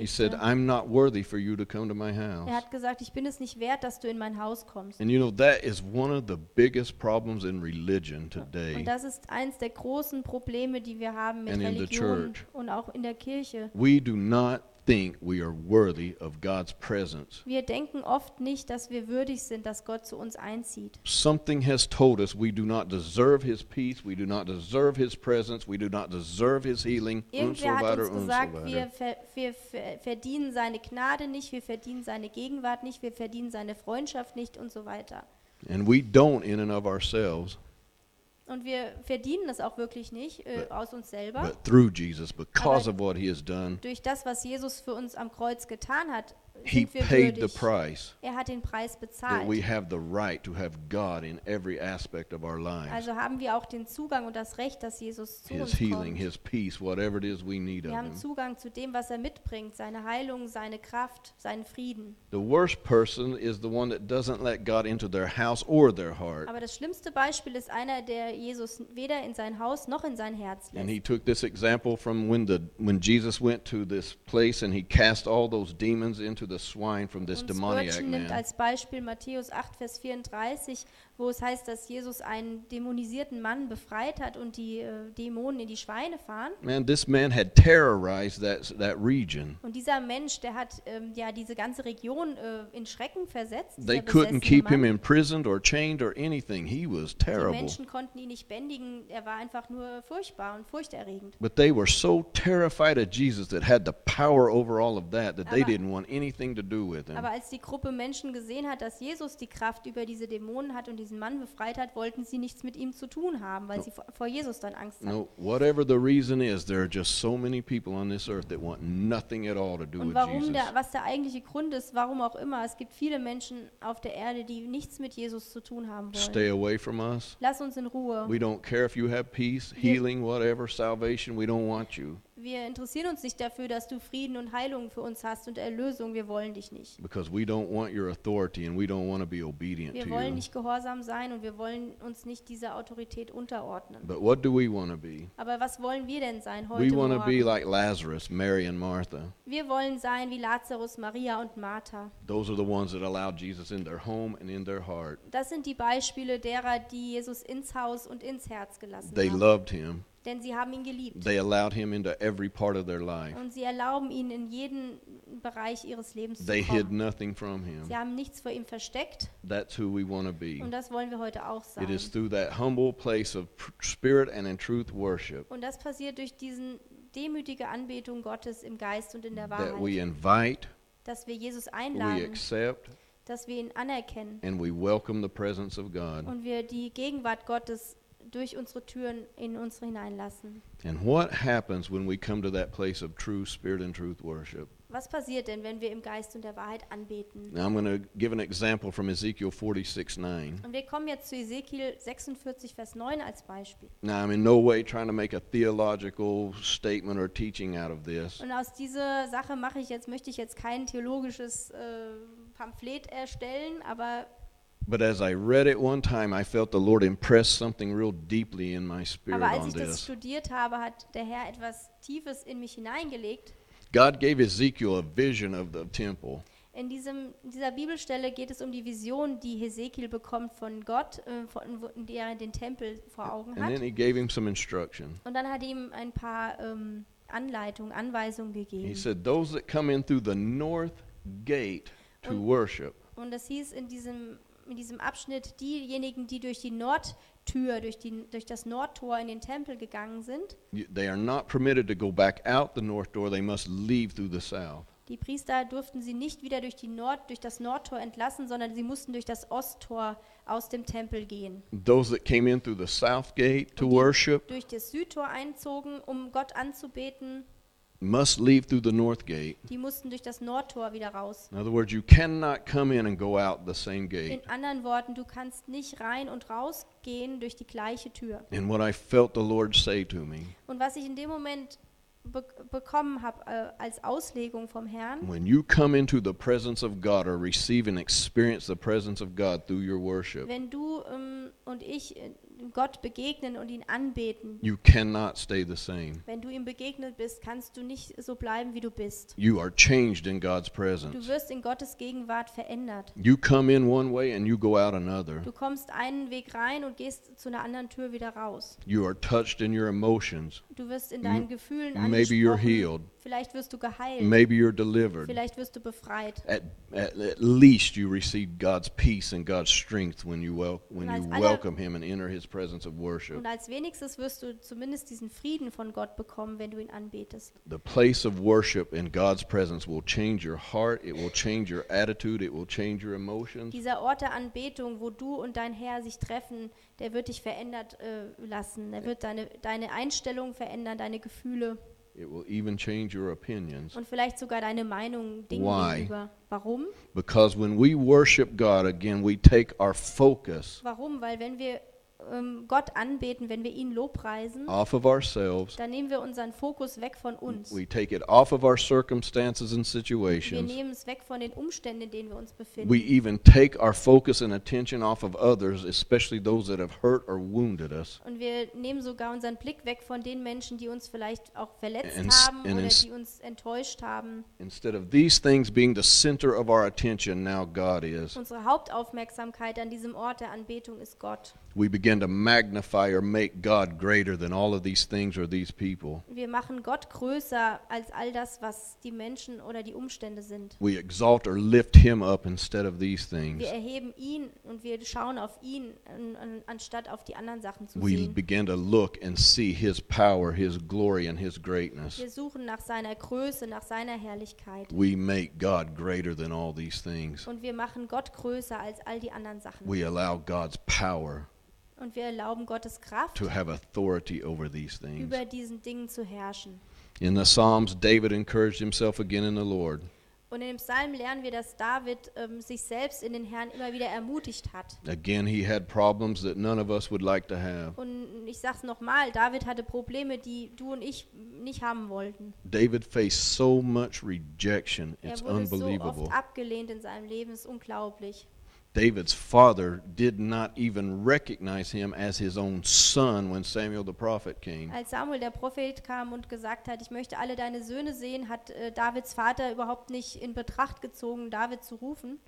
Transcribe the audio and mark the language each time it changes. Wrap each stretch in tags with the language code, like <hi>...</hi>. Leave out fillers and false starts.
<en>He said, I'm not worthy for you to come to my house.</en> <de>Er hat gesagt, ich bin es nicht wert, dass du in mein Haus kommst.</de> <en>And you know, that is one of the biggest problems in religion today.</en> <de>Und das ist eins der großen Probleme, die wir haben mit Religion und auch in der Kirche.</de> <en>We do not think we are worthy of God's presence.</en> <de>Wir denken oft nicht, dass wir würdig sind, dass Gott zu uns einzieht.</de> <en>Something has told us we do not deserve his peace, we do not deserve his presence, we do not deserve his healing.</en> <de>Irgendwer hat uns gesagt, wir verdienen seine Gnade nicht, wir verdienen seine Gegenwart nicht, wir verdienen seine Freundschaft nicht und so weiter.</de> <en>And we don't in and of ourselves.</en> <de>Und wir verdienen das auch wirklich nicht aus uns selber.</de> <en>But through Jesus, because of what he has done,</en> <de>durch das, was Jesus für uns am Kreuz getan hat,</de> <en>he paid the price.</en> <de>Er hat den Preis bezahlt.</de> <en>We have the right to have God in every aspect of our lives.</en> <de>Also haben wir auch den Zugang und das Recht, dass Jesus zu</de> <en>his</en> <de>uns</de> <en>healing,</en> <de>kommt.</de> <en>His peace, whatever it is we need</en> <de>wir</de> <en>of</en> <de>haben</de> <en>him.</en> <de>Zugang zu dem, was er mitbringt, seine Heilung, seine Kraft, seinen Frieden.</de> <en>The worst person is the one that doesn't let God into their house or their heart.</en> <de>Aber das schlimmste Beispiel ist einer, der Jesus weder in sein Haus noch in sein Herz lässt.</de> <en>And he took this example from when Jesus went to this place and he cast all those demons into the swine from this demoniac man.</en> <de>Und nimmt als Beispiel Matthäus 8, Vers 34, wo es heißt, dass Jesus einen dämonisierten Mann befreit hat und die Dämonen in die Schweine fahren.</de> <en>Man, this man had terrorized that region.</en> <de>Und dieser Mensch, der hat diese ganze Region in Schrecken versetzt.</de> <en>They couldn't keep</en> <de>Mann.</de> <en>Him imprisoned or chained or anything. He was terrible.</en> <de>Die Menschen konnten ihn nicht bändigen. Er war einfach nur furchtbar und furchterregend.</de> <en>But they were so terrified of Jesus that had the power over all of that that they didn't want anything to do with him.</en> <de>Aber als die Gruppe Menschen gesehen hat, dass Jesus die Kraft über diese Dämonen hat und diesen Mann befreit hat, wollten sie nichts mit ihm zu tun haben, weil sie vor Jesus dann Angst hatten.</de> <en>No, whatever the reason is, there are just so many people on this earth that want nothing at all to do with Jesus.</en> <de>Und was der eigentliche Grund ist, warum auch immer, es gibt viele Menschen auf der Erde, die nichts mit Jesus zu tun haben wollen.</de> <en>Stay away from us.</en> <de>Lass uns in Ruhe.</de> <en>We don't care if you have peace, healing, whatever, salvation, we don't want you.</en> <de>Wir interessieren uns nicht dafür, dass du Frieden und Heilung für uns hast und Erlösung. Wir wollen dich nicht.</de> <en>Because we don't want your authority and we don't want to be obedient to you.</en> <de>Wir wollen nicht gehorsam sein und wir wollen uns nicht dieser Autorität unterordnen.</de> <en>But what do we want to be?</en> <de>Aber was wollen wir denn sein heute</de> <en>We want to be like Lazarus, Mary and Martha.</en> <de>Wir wollen sein wie Lazarus, Maria und Martha.</de> <en>Those are the ones that allow Jesus in their home and in their heart.</en> <de>Das sind die Beispiele derer, die Jesus ins Haus und ins Herz gelassen</de> <en>They</en> <de>haben.</de> <en>They loved him.</en> <de>Denn sie haben ihn geliebt.</de> <en>They allowed him into every part of their life.</en> <de>Und sie erlauben ihn in jeden Bereich ihres Lebens zu</de> <en>They</en> <de>kommen.</de> <en>Hid nothing from him.</en> <de>Sie haben nichts vor ihm versteckt.</de> <en>That's who we want to be.</en> <de>Und das wollen wir heute auch sein.</de> <en>It is through that humble place of spirit and in truth worship.</en> <de>Und das passiert durch diesen demütige Anbetung Gottes im Geist und in der Wahrheit.</de> <en>That we invite.</en> <de>Dass wir Jesus einladen.</de> <en>We accept.</en> <de>Dass wir ihn anerkennen.</de> <en>And we welcome the presence of God.</en> <de>Und wir die Gegenwart Gottes durch unsere Türen in uns hineinlassen.</de> <en>And what happens when we come to that place of true spirit and truth worship?</en> <de>Was passiert denn, wenn wir im Geist und der Wahrheit anbeten?</de> <en>Now I'm going to give an example from Ezekiel 46:9.</en> <de>Und wir kommen jetzt zu Ezekiel 46, Vers 9 als Beispiel.</de> <en>Now I'm in no way trying to make a theological statement or teaching out of this.</en> <de>Und aus dieser Sache möchte ich jetzt kein theologisches Pamphlet erstellen, aber</de> <en>But as I read it one time, I felt the Lord impress something real deeply in my spirit on this.</en> <de>Aber als ich das studiert habe, hat der Herr etwas Tiefes in mich hineingelegt.</de> <en>God gave Ezekiel a vision of the temple.</en> <de>In dieser Bibelstelle geht es um die Vision, die Ezekiel bekommt von Gott, von der er den Tempel vor Augen hat.</de> <en>And then he gave him some instruction.</en> <de>Und dann hat ihm ein paar Anweisungen gegeben.</de> <en>He said, "Those that come in through the north gate to worship."</en> <de>Und das hieß in diesem Abschnitt, diejenigen, die durch die Nordtür, durch das Nordtor in den Tempel gegangen sind.</de> <en>They are not permitted to go back out the north door, they must leave through the south.</en> <de>Die Priester durften sie nicht wieder durch das Nordtor entlassen, sondern sie mussten durch das Osttor aus dem Tempel gehen.</de> <en>Those that came in through the south gate to worship.</en> <de>Durch das Südtor einzogen, um Gott anzubeten.</de> <en>Must leave through the north gate.</en> <de>Die mussten durch das Nordtor wieder raus.</de> <en>In other words, you cannot come in and go out the same gate.</en> <de>In anderen Worten, du kannst nicht rein und rausgehen durch die gleiche Tür.</de> <en>And what I felt the Lord say to me.</en> <de>Und was ich in dem Moment bekommen habe als Auslegung vom Herrn.</de> <en>When you come into the presence of God or receive and experience the presence of God through your worship.</en> <de>Wenn du und ich Gott begegnen und ihn anbeten.</de> <en>You cannot stay the same.</en> <de>Wenn du ihm begegnet bist, kannst du nicht so bleiben, wie du bist.</de> <en>You are changed in God's presence.</en> <de>Du wirst in Gottes Gegenwart verändert.</de> <en>You come in one way and you go out another.</en> <de>Du kommst einen Weg rein und gehst zu einer anderen Tür wieder raus.</de> <en>You are touched in your emotions.</en> <de>Du wirst in deinen Gefühlen angesprochen.</de> <en>Maybe you're healed.</en> <de>Vielleicht wirst du geheilt.</de> <en>Maybe you're delivered.</en> <de>Vielleicht wirst du befreit.</de> <en>At least you receive God's peace and God's strength when you welcome him and enter his presence of worship.</en> <de>Und als wenigstes wirst du zumindest diesen Frieden von Gott bekommen, wenn du ihn anbetest.</de> <en>The place of worship in God's presence will change your heart, it will change your attitude, it will change your emotions.</en> <de>Dieser Ort der Anbetung, wo du und dein Herr sich treffen, der wird dich verändert lassen. Er wird deine Einstellung verändern, deine Gefühle.</de> <en>It will even change your opinions.</en> <de>Und vielleicht sogar deine Meinung Dingen gegenüber. Warum?</de> <en>Because when we worship God again, we take our focus.</en> <de>Warum? Weil wenn wir Gott anbeten, wenn wir ihn lobpreisen,</de> <en>off of ourselves,</en> <de>dann nehmen wir unseren Fokus weg von uns.</de> <en>We take it off of our circumstances and situations.</en> <de>Wir nehmen es weg von den Umständen, in denen wir uns befinden.</de> <en>We even take our focus and attention off of others, especially those that have hurt or wounded us.</en> <de>Und wir nehmen sogar unseren Blick weg von den Menschen, die uns vielleicht auch verletzt haben oder die uns enttäuscht haben.</de> <en>Instead of these things being the center of our attention, now God is.</en> <de>Unsere Hauptaufmerksamkeit an diesem Ort der Anbetung ist Gott.</de> <en>We begin to magnify or make God greater than all of these things or these people.</en> <de>Wir machen Gott größer als all das, was die Menschen oder die Umstände sind.</de> <en>We exalt or lift him up instead of these things.</en> <de>Wir erheben ihn und wir schauen auf ihn anstatt auf die anderen Sachen zu sehen.</de> <en>We begin to look and see his power, his glory and his greatness.</en> <de>Wir suchen nach seiner Größe, nach seiner Herrlichkeit.</de> <en>We make God greater than all these things.</en> <de>Und wir machen Gott größer als all die anderen Sachen.</de> <en>We allow God's power.</en> <de>Und wir erlauben Gottes Kraft,</de> <en>to have authority over these things.</en> <de>Über diesen Dingen zu herrschen.</de> <en>In the Psalms, David encouraged himself again in the Lord.</en> <de>Und in dem Psalm lernen wir, dass David sich selbst in den Herrn immer wieder ermutigt hat.</de> <en>Again, he had problems that none of us would like to have.</en> <de>Und ich sag's nochmal, David hatte Probleme, die du und ich nicht haben wollten.</de> <en>David faced so much rejection, it's unbelievable.</en> <de>Er wurde so oft abgelehnt in seinem Leben, ist unglaublich.</de> <en>David's father did not even recognize him as his own son when Samuel the prophet came.</en> <de>Als Samuel der Prophet kam und gesagt hat, ich möchte alle deine Söhne sehen, hat Davids Vater überhaupt nicht in Betracht gezogen, David zu rufen.</de>